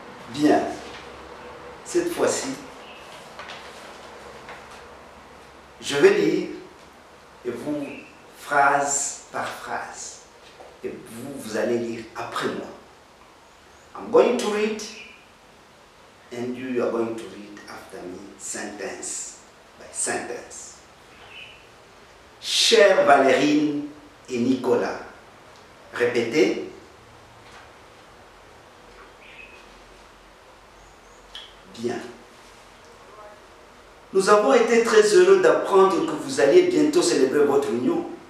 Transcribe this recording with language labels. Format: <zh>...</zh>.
<fr>Bien, cette fois-ci, je vais lire. Et vous, phrase par phrase, et vous, vous allez lire après moi.</fr> <en>I'm going to read, and you are going to read after me, sentence by sentence.</en> <fr>Chère Valérie et Nicolas, répétez. Bien. Nous avons été très heureux d'apprendre que vous alliez bientôt célébrer votre union.</fr>